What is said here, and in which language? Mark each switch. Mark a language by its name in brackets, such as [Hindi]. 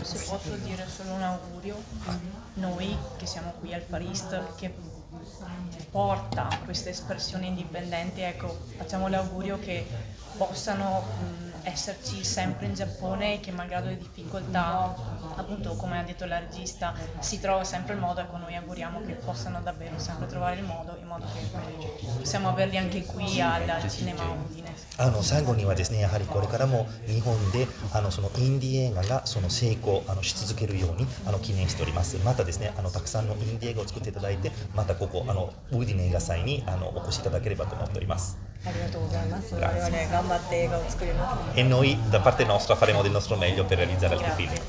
[Italian] Se posso dire solo un augurio, noi che siamo qui al Farist, che porta questa espressione indipendente, ecco, facciamo l'augurio che possano esserci sempre in Giappone e che malgrado le difficoltà, appunto come ha detto la regista, si trova sempre il modo, ecco, noi auguriamo che possano davvero sempre trovare il modo, in modo che possiamo averli anche qui al cinema Udine. [Japanese] あの、最後にはですね、やはりこれからも日本で、あの、その、インディー映画が、その、成功、あの、し続けるように、あの、記念しております。またですね、あの、たくさんのインディー映画を作っていただいて、またここ、あの、ウーディネ映画祭に、あの、お越しいただければと思っております。ありがとうございます。我々頑張って映画を作ります。 [Italian] E noi da parte nostra faremo del nostro meglio per realizzare altri film.